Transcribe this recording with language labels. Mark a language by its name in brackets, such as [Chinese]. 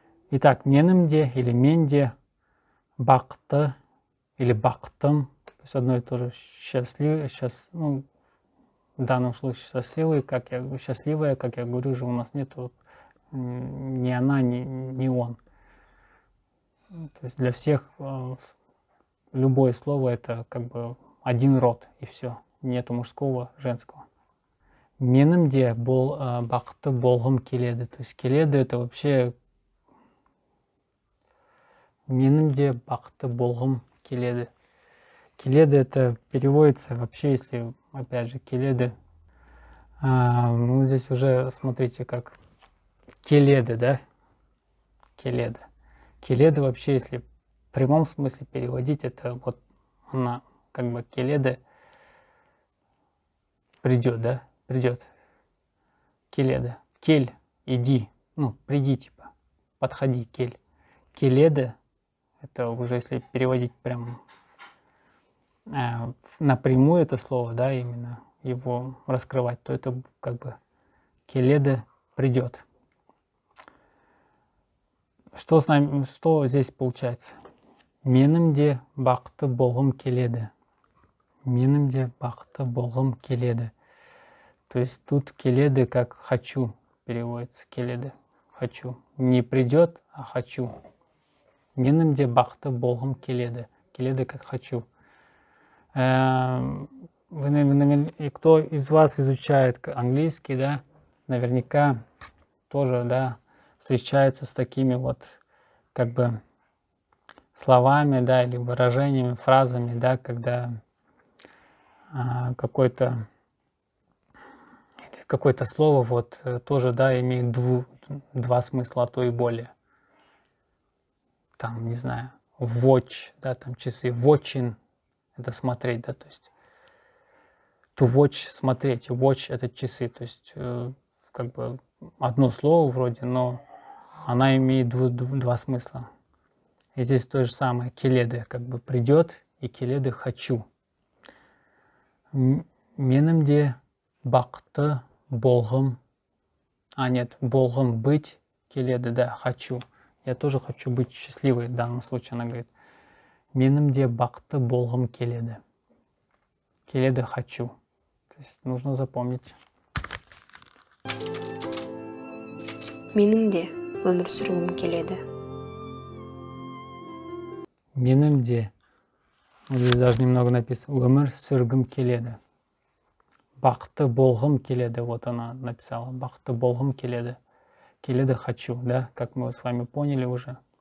[Russian] Итак, менімде или менде, бақты или бақтым, то есть одно и то же, счастливый, сейчас, ну, в данном случае счастливый, как я, счастливая, как я говорю, же у нас нету ни она, ни он. То есть для всех любое слово это как бы один род и все. Нету мужского, женского. [Kazakh] Менімде бақты болғым келеді. [Russian] То есть келеді это вообще... [Kazakh] Менімде бақты болғым келеді. [Russian] Келеді это переводится вообще, если... Опять же, келеды. А, ну, здесь уже, смотрите, как келеды, да? Келеды. Келеды вообще, если в прямом смысле переводить, это вот она, как бы келеды придет, да? Придет. Келеды. Кель, иди. Ну, приди, типа. Подходи, кель. Келеды, это уже, если переводить прям... напрямую это слово, да, именно его раскрывать, то это как бы келеды придет. Что с нами, что здесь получается? [Kazakh] Менімде бақты болғым келеді. менімде бақыты болғым келеді. [Russian] То есть тут келеді как хочу переводится. Келеді. Хочу. Не придет, а хочу. [Kazakh] Менімде бақыты болғым келеді. [Russian] Келеді как хочу. Кто из вас изучает английский, да, наверняка тоже, да, встречается с такими вот, как бы, словами, да, или выражениями, фразами, да, когда какое-то слово вот тоже, да, имеет два смысла, а то и более. Там, не знаю, watch, да, там часы, watching, это смотреть, да, то есть to watch, смотреть, watch это часы, то есть как бы одно слово вроде, но она имеет два смысла. И здесь то же самое, келеды, как бы придет, и келеды хочу. [Kazakh] Менімде бақты болғым, [Russian] а нет, болғым быть, келеды, да, хочу. Я тоже хочу быть счастливой, в данном случае она говорит. [Kazakh] Менімде бақты болғым келеды. [Russian] Келеды хочу. То есть нужно запомнить. [Kazakh] Менімде өмір сүргім келеді. Менімде. [Russian] Здесь даже немного написано. [Kazakh] Өмір сүргім келеді. Бақты болғым келеді. [Russian] Вот она написала. [Kazakh] Бақты болғым келеді. [Russian] Келеді хочу. Да, как мы с вами поняли уже.